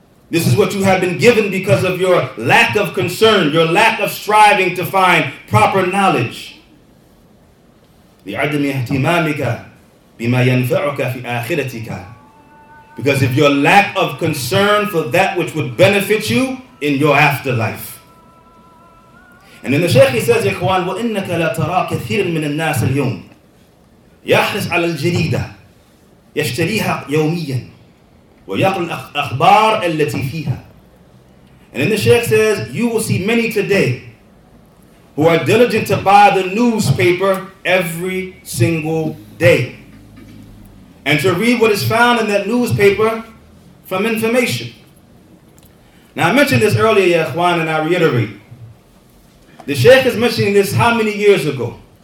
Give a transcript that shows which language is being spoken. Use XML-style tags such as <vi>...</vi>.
<en>This is what you have been given because of your lack of concern, your lack of striving to find proper knowledge.</en> <ar>لعدم اهتمامك بما ينفعك في آخرتك,</ar> <en>because of your lack of concern for that which would benefit you in your afterlife. And then the Shaykh, he says,</en> <ar>إخوان, وإنك لا ترى كثير من الناس اليوم يحرص على الجريدة يشتريها يوميا ويقرأ الأخبار التي فيها.</ar> <en>And then the Shaykh says, you will see many today who are diligent to buy the newspaper every single day and to read what is found in that newspaper from information. Now, I mentioned this earlier, Ya Ikhwan, and I reiterate. The Shaykh is mentioning this how many years ago?</en>